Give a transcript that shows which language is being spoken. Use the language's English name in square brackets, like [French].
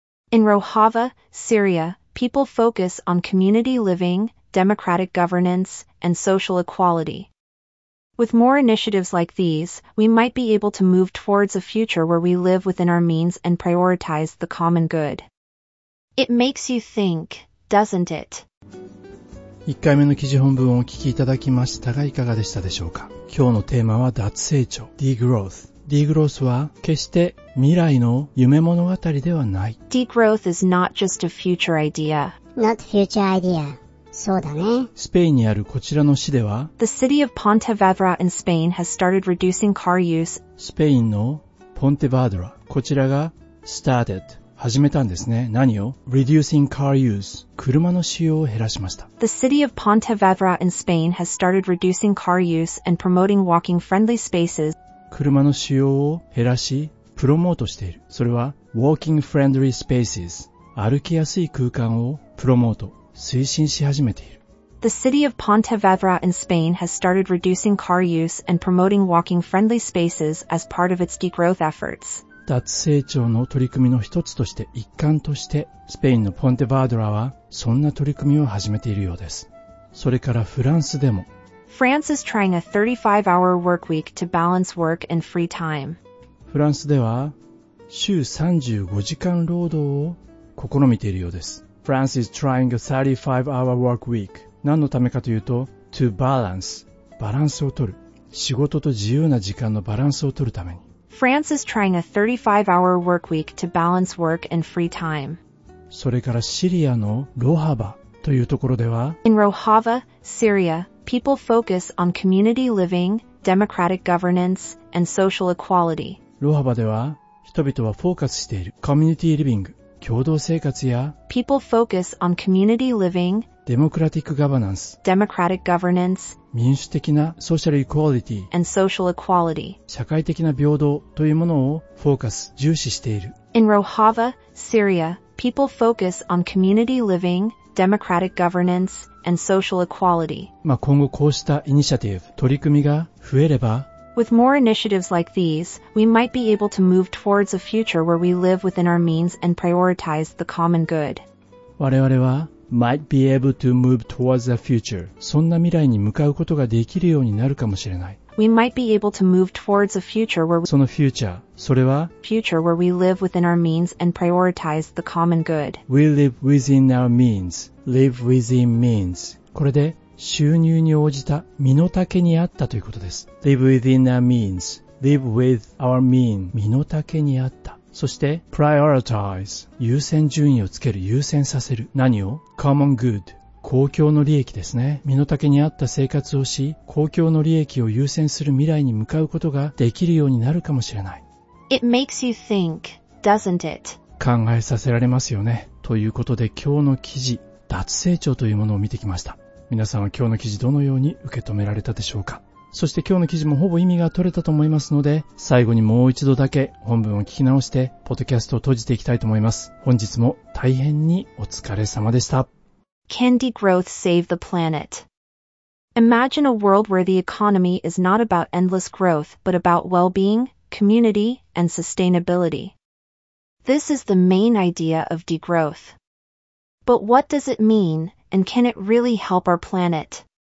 [English] In Rojava, Syria,People focus on community living, democratic governance, and social equality. With more initiatives like these, we might be able to move towards a future where we live within our means and prioritize the common good. It makes you think, doesn't it? [Japanese] 1回目の記事本文をお聞きいただきましたが、いかがでしたでしょうか。今日のテーマは脱成長、degrowth。Degrowth は決して未来の夢物語ではない。 [English] Degrowth is not just a future idea. Not future idea. [Japanese] そうだね。スペインにあるこちらの市では、 [English] The city of Pontevedra in Spain has started reducing car use. [Japanese] スペインのポンテバドラ、こちらが started、始めたんですね。何を ? [English] reducing car use、 [Japanese] 車の使用を減らしました。 [English] The city of Pontevedra in Spain has started reducing car use and promoting walking-friendly spaces. [Japanese] 車の使用を減らし、プロモートしている。それは、 [English] walking-friendly spaces、 [Japanese] 歩きやすい空間をプロモート、推進し始めている。 [English] The city of Pontevedra in Spain has started reducing car use and promoting walking-friendly spaces as part of its degrowth efforts. [Japanese] 脱成長の取り組みの一つとして、一環として、スペインのポンテバドラは、そんな取り組みを始めているようです。それからフランスでも。 [English] France is trying a 35-hour work week to balance work and free time. [Japanese] フランスでは、週35時間労働を試みているようです。 [English] France is trying a 35-hour work week. [Japanese] 何のためかというと、to balance、バランスを取る。仕事と自由な時間のバランスを取るために。 [English] France is trying a 35-hour work week to balance work and free time. [Japanese] それからシリアのロハバというところでは、 [English] In Rojava, Syria, people focus on community living, democratic governance, and social equality. [Japanese] ロハバでは、人々はフォーカスしている。 [English] Community living, [Japanese] 共同生活や、 [English] People focus on community living, democratic governance, democratic governance, [Japanese] 民主的な [English] social equality, and social equality, [Japanese] 社会的な平等というものをフォーカス、重視している。 [English] In Rojava, Syria, people focus on community living, democratic governance, and social equality. [Japanese] まあ今後こうしたイニシアティブ、取り組みが増えれば、 [English] With more initiatives like these, we might be able to move towards a future where we live within our means and prioritize the common good. [Japanese] 我々は、 [English] might be able to move towards a future. [Japanese] そんな未来に向かうことができるようになるかもしれない。 [English] We might be able to move towards a future where [Japanese] その future, それは [English] future where we live within our means and prioritize the common good. We live within our means. Live within means. [Japanese] これで収入に応じた身の丈に合ったということです。 [English] Live within our means. Live with our means. [Japanese] 身の丈に合った。そして prioritize 優先順位をつける優先させる何を [English] common good [Japanese] 公共の利益ですね身の丈に合った生活をし公共の利益を優先する未来に向かうことができるようになるかもしれない [English] It makes you think, doesn't it? [Japanese] 考えさせられますよねということで今日の記事脱成長というものを見てきました皆さんは今日の記事どのように受け止められたでしょうかそして今日の記事もほぼ意味が取れたと思いますので最後にもう一度だけ本文を聞き直してポッドキャストを閉じていきたいと思います本日も大変にお疲れ様でした [English] Can degrowth save the planet? Imagine a world where the economy is not about endless growth but about well-being, community, and sustainability. This is the main idea of degrowth. But what does it mean, and can it really help our planet?